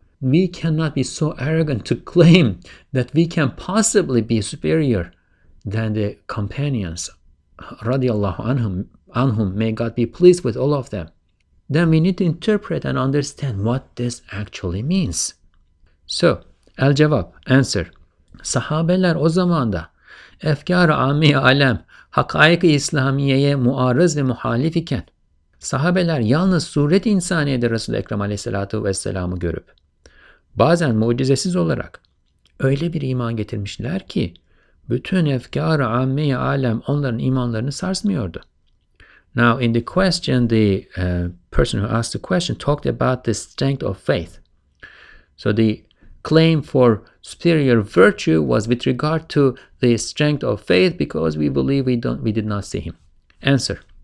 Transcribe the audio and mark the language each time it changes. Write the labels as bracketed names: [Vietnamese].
[English] We cannot be so arrogant to claim that we can possibly be superior than the companions, [Arabic] radiallahu anhum. [English] On whom may God be pleased with all of them, then we need to interpret and understand what this actually means. So, el-cevap, answer. [Turkish] Sahabeler o zamanda efkar-ı ammi alem, hakaik-ı İslamiye'ye muarız ve muhalif iken, sahabeler yalnız suret insaniyede Resul-i Ekrem aleyhissalatu vesselam'ı görüp, bazen mucizesiz olarak öyle bir iman getirmişler ki, bütün efkar-ı ammi alem onların imanlarını sarsmıyordu. [English] Now, in the question, the person who asked the question talked about the strength of faith. So the claim for superior virtue was with regard to the strength of faith, because we believe we did not see him. Answer.